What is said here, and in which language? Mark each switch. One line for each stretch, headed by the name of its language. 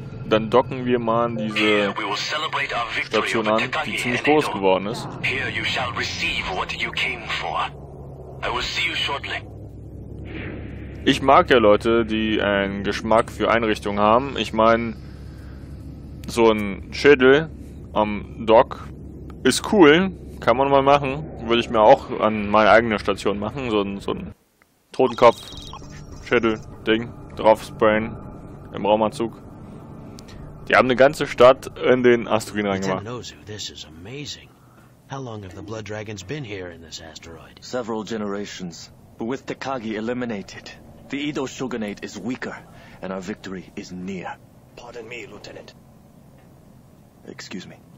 German: Dann docken wir mal an diese Station an, die ziemlich groß geworden ist.
English: Here you shall receive what you came for. I will see you shortly.
German: Ich mag ja Leute, die einen Geschmack für Einrichtungen haben. Ich meine, so ein Schädel am Dock ist cool. Kann man mal machen. Würde ich mir auch an meine eigene Station machen. So ein Totenkopf-Schädel-Ding draufsprayen im Raumanzug. Die haben eine ganze Stadt in den Asteroiden reingemacht.
English: This is amazing. How long have the Blood Dragons been here in this asteroid? Several generations. But with Takagi eliminated, the Edo Shogunate is weaker, and our victory is near. Pardon me, Lieutenant. Excuse me.